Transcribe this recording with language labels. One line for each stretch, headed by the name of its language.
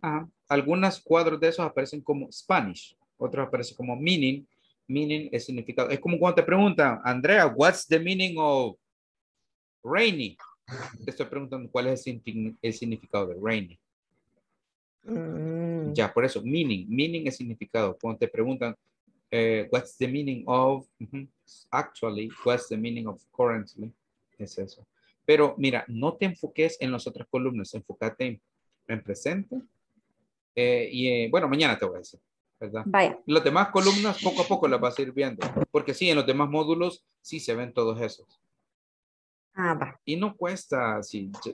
Spanish: Ah, algunos cuadros de esos aparecen como Spanish, otros aparecen como meaning. Meaning es significado. Es como cuando te preguntan, Andrea,
English: what's the meaning of rainy?
Spanish: Te estoy preguntando cuál es el significado de rainy. Ya, por eso, meaning es significado. Cuando te preguntan,
English: what's the meaning of actually, what's the meaning of currently,
Spanish: es eso. Pero mira, no te enfoques en las otras columnas, enfócate en presente. Bueno, mañana te voy a decir, ¿verdad? Vaya. Las demás columnas poco a poco las vas a ir viendo, porque sí, en los demás módulos sí se ven todos esos. Ah, va. Y no cuesta, sí.